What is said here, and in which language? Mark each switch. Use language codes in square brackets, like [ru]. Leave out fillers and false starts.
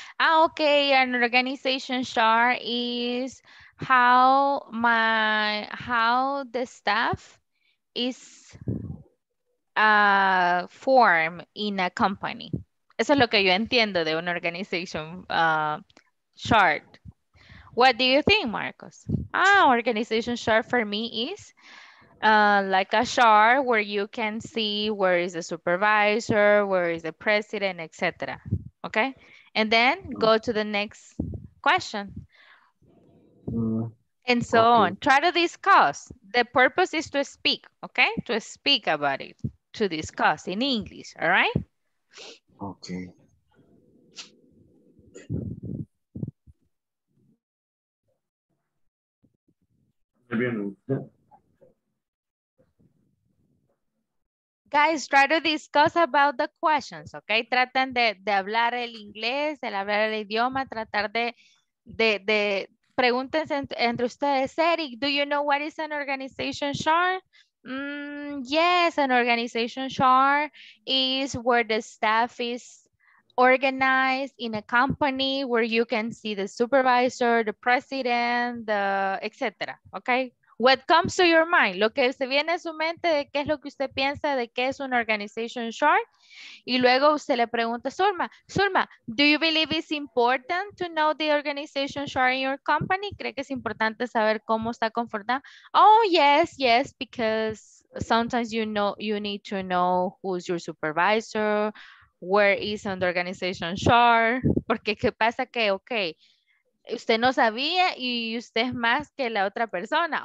[en] Ah, ok, an organization chart is how the staff is formed in a company. [es] Eso es lo que yo entiendo de una organization chart. [en] What do you think, Marcos? Ah, organization chart for me is like a chart where you can see where is the supervisor, where is the president, etc. Okay? And then go to the next question. And so on. Try to discuss. The purpose is to speak, okay? To speak about it, to discuss in English, all right? Okay. Guys, try to discuss about the questions, okay? [es] Traten de hablar el inglés, de hablar el idioma, tratar de pregúntense entre ustedes. [en] Eric, do you know what is an organization chart? Yes, an organization chart is where the staff is organized in a company where you can see the supervisor, the president, the etc. Okay. What comes to your mind? [es] Lo que se viene a su mente de qué es lo que usted piensa de qué es un organization chart. Y luego usted le pregunta, [en] Zulma, Zulma, do you believe it's important to know the organization chart in your company? [es] ¿Cree que es importante saber cómo está conformada? [en] Oh, yes, yes, because sometimes you know you need to know who's your supervisor, where is an organization chart. [es] Porque qué pasa que, okay, usted no sabía y usted es más que la otra persona.